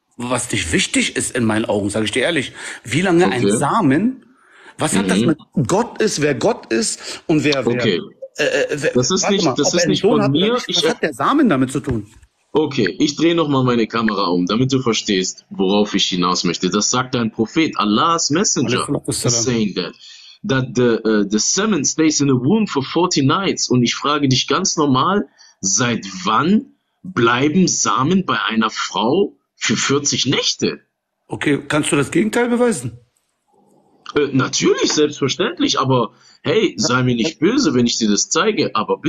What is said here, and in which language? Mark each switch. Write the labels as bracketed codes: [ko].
[de] lange, was nicht wichtig ist in meinen Augen, sage ich dir ehrlich, wie lange ein Okay. Samen, was hat das mit Gott ist, wer Gott ist und Okay. Das ist warte mal, nicht ob er einen Sohn von hat oder mir. nicht, was hat der Samen damit zu tun? Okay, ich drehe noch mal meine Kamera um, damit du verstehst, worauf ich hinaus möchte. Das sagt dein Prophet, Allahs Messenger, is [ar] Alaihissalam. [en] saying that the semen stays in the womb for 40 nights. [de] Und ich frage dich ganz normal, seit wann bleiben Samen bei einer Frau für 40 Nächte? Okay, kannst du das Gegenteil beweisen? Natürlich, selbstverständlich, aber hey, sei mir nicht böse, wenn ich dir das zeige, aber